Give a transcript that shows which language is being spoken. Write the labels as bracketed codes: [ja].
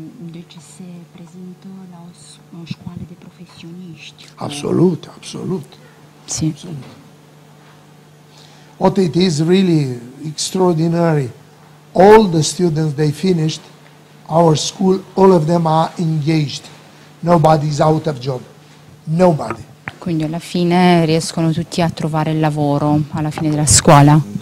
[ro] Deci se prezintă la o școală de profesioniști. Absolut, absolut. [it] Si. [en] What it is really extraordinary, all the students they finished our school, all of them are engaged. Nobody is out of job. Nobody. [it] Quindi alla fine riescono tutti a trovare il lavoro alla fine della scuola.